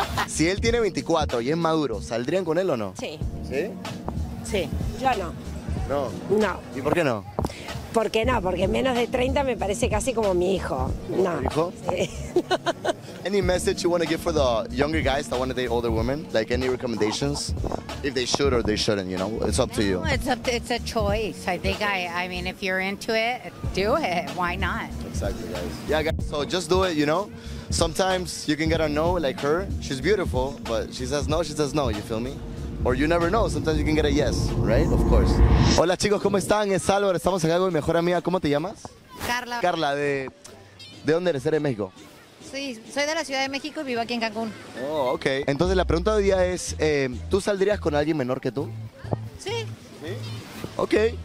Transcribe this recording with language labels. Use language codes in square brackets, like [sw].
[es] Si él tiene 24 y es maduro, ¿saldrían con él o no? Sí. ¿Sí? Sí. Yo no. No. No. ¿Y por qué no? ¿Por qué no? Porque menos de 30 me parece casi como mi hijo. No. ¿Tu hijo? Sí. [en] Any message you want to give for the younger guys that want to date older women? Like any recommendations? If they should or they shouldn't, you know? It's up no, to you. It's a choice. I think I mean, if you're into it, do it. Why not? Exactly, guys. Yeah, guys, so just do it, you know? Sometimes you can get a no, like her. She's beautiful, but she says no, you feel me? Or you never know, sometimes you can get a yes, right? Of course. [es] Hola chicos, ¿cómo están? Es Álvaro, estamos acá con mi mejor amiga. ¿Cómo te llamas? Carla. Carla, ¿de dónde eres? ¿Eres de México? Sí, soy de la Ciudad de México y vivo aquí en Cancún. Oh, ok. Entonces la pregunta de hoy día es, ¿tú saldrías con alguien menor que tú? Sí. ¿Sí? Ok.